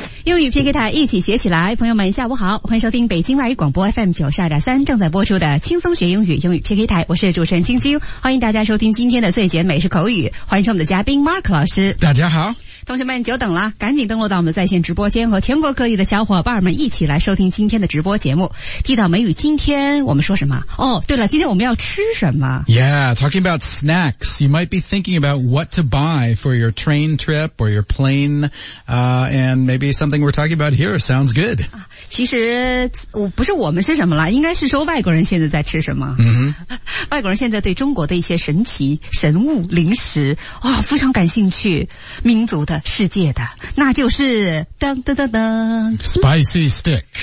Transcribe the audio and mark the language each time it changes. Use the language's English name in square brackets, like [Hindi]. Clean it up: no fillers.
[Chinese] 英语 PK 台一起学起来，朋友们下午好，欢迎收听北京外语广播 FM92.3 正在播出的轻松学英语英语 PK 台，我是主持人晶晶，欢迎大家收听今天的最简美式口语，欢迎我们的嘉宾 Mark 老师。大家好，同学们久等了，赶紧登录到我们在线直播间，和全国各地的小伙伴们一起来收听今天的直播节目。记得美语今天我们说什么？哦，对了，今天我们要吃什么？ [English] Yeah, talking about snacks, you might be thinking about what to buy for your train trip or your plane, and maybe somethingWe're talking about here sounds good. [Chinese] 其实我不是我们吃什么了，应该是说外国人现在在吃什么。 Mm-hmm. 外国人现在对中国的一些神奇神物零食啊、哦、非常感兴趣，民族的世界的，那就是噔噔噔噔 [English] ，spicy stick